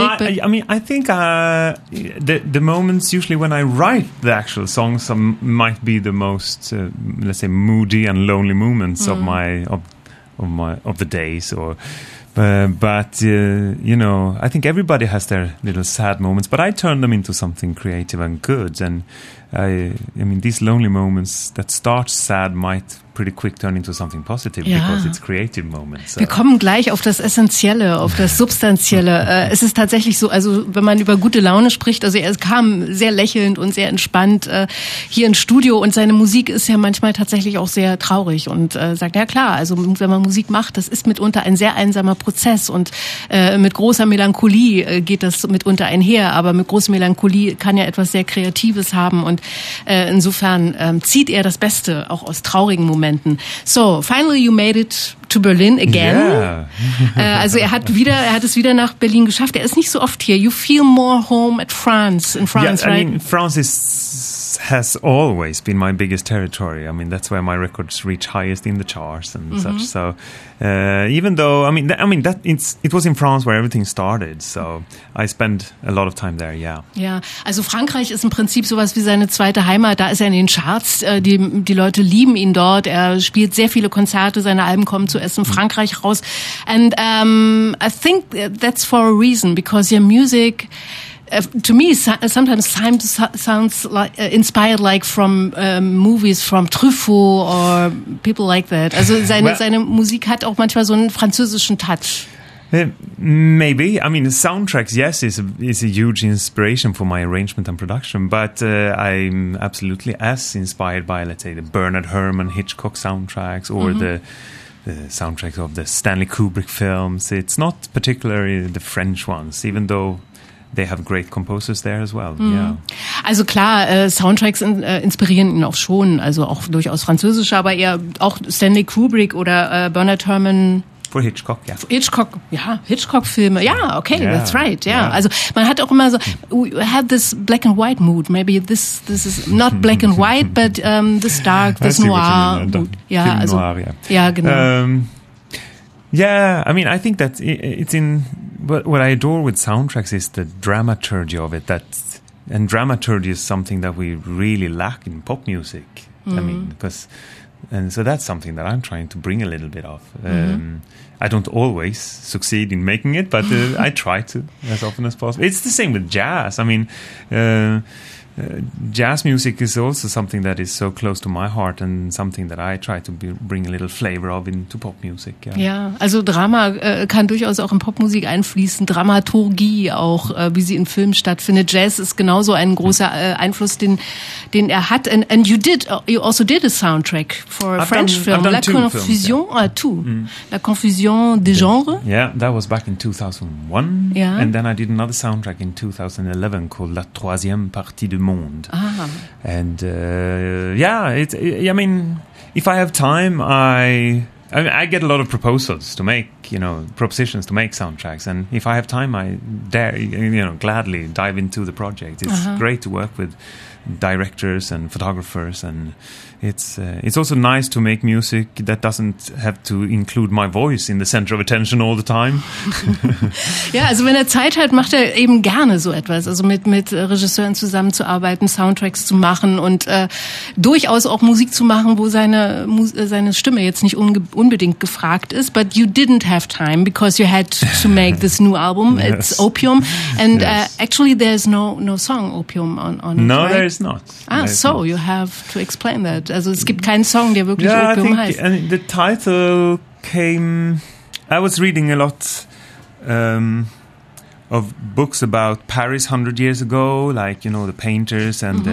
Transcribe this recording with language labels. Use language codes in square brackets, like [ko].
[en] I think the moments usually when I write the actual songs might be the most, let's say, moody and lonely moments of the days or... But I think everybody has their little sad moments, but I turn them into something creative and good. And I mean, these lonely moments that start sad might pretty quick turn into something positive, [de] ja, [en] because it's creative moments. [de] Wir kommen gleich auf das Essentielle, auf das Substanzielle. Es ist tatsächlich so, also wenn man über gute Laune spricht, also er kam sehr lächelnd und sehr entspannt hier ins Studio und seine Musik ist ja manchmal tatsächlich auch sehr traurig und sagt, ja klar, also wenn man Musik macht, das ist mitunter ein sehr einsamer Prozess und mit großer Melancholie geht das mitunter einher, aber mit großer Melancholie kann ja etwas sehr Kreatives haben und insofern zieht er das Beste auch aus traurigen Momenten. [en] So, finally you made it to Berlin again. Yeah. [de] Also er hat es wieder nach Berlin geschafft. Er ist nicht so oft hier. [en] You feel more home at France, in France, yeah, right? I mean, France has always been my biggest territory. I mean, that's where my records reach highest in the charts and mm-hmm. such. So, it was in France where everything started. So, I spend a lot of time there, yeah. [de] Ja, also Frankreich ist im Prinzip sowas wie seine zweite Heimat. Da ist er in den Charts. Die Leute lieben ihn dort. Er spielt sehr viele Konzerte. Seine Alben kommen zuerst in Frankreich raus. [en] And I think that's for a reason, because your music... to me, sometimes time sounds like, inspired like from movies from Truffaut or people like that. [de] Also seine Musik hat auch manchmal so einen französischen Touch. [en] Maybe. I mean, soundtracks, yes, is a huge inspiration for my arrangement and production, but I'm absolutely as inspired by, let's say, the Bernard Herrmann Hitchcock soundtracks or mm-hmm. the soundtracks of the Stanley Kubrick films. It's not particularly the French ones, even though... They have great composers there as well. Mm. Yeah. [de] Also klar, Soundtracks inspirieren ihn auch schon, also auch durchaus französische, aber eher auch Stanley Kubrick oder Bernard Herrmann. [en] For Hitchcock, yeah. Hitchcock-Filme. Yeah, okay, yeah. That's right, yeah. [de] Also man hat auch immer so, [en] we have this black and white mood. Maybe this is not black and white, but this dark, this noir mood. Yeah, also, noir, yeah. [de] Ja, genau. [en] I mean, I think that it's in... But what I adore with soundtracks is the dramaturgy of it. And dramaturgy is something that we really lack in pop music. Mm-hmm. I mean, because... And so that's something that I'm trying to bring a little bit of. Mm-hmm. I don't always succeed in making it, but I try to as often as possible. It's the same with jazz. I mean, jazz music is also something that is so close to my heart and something that I try to bring a little flavor of into pop music. Yeah. [de] Ja, also Drama kann durchaus auch in Popmusik einfließen, Dramaturgie auch, wie sie in Filmen stattfindet. Jazz ist genauso ein großer Einfluss, den er hat. [en] And you also did a soundtrack for a French film. I've done La Confusion, La Confusion des Genres. Yeah, that was back in 2001. Yeah. And then I did another soundtrack in 2011 called La Troisième Partie du Monde. Ah. And I mean, if I have time, I get a lot of proposals to make, you know, propositions to make soundtracks. And if I have time, I dare, you know, gladly dive into the project. It's great to work with directors and photographers and It's also nice to make music that doesn't have to include my voice in the center of attention all the time. [de] Ja, also wenn er Zeit hat, macht er eben gerne so etwas. Also mit Regisseuren zusammenzuarbeiten, Soundtracks zu machen und durchaus auch Musik zu machen, wo seine Stimme jetzt nicht unbedingt gefragt ist. [en] But you didn't have time because you had to make this new album. Yes. It's Opium. And yes. Actually there's no song Opium on it, no, right? There is not. Ah, there so not. You have to explain that. [de] Also es gibt keinen Song, der wirklich Opium heißt. [en] And the title came... I was reading a lot of books about Paris 100 years ago, like, you know, the painters and mm-hmm.